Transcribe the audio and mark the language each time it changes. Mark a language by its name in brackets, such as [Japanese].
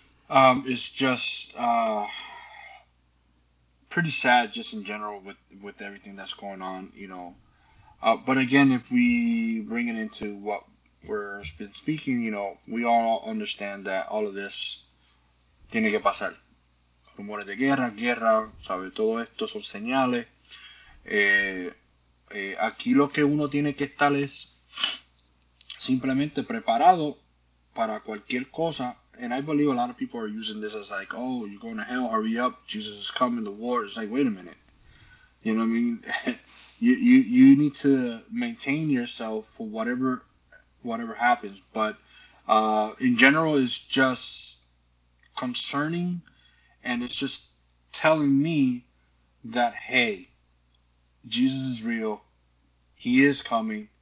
[English] It's just pretty sad just in general with everything that's going on, you know. But again, if we bring it into what we're been speaking, you know, we all understand that all of this [Spanish] tiene que pasar. Rumores de guerra, sabe, todo esto son señales. Aquí lo que uno tiene que estar es simplemente preparado para cualquier cosa. [English] And I believe a lot of people are using this as like, oh, you're going to hell, hurry up, Jesus is coming, the war. It's like, wait a minute. You know what I mean? you need to maintain yourself for whatever happens. But in general, it's just concerning, and it's just telling me that, hey, Jesus is real. He is coming.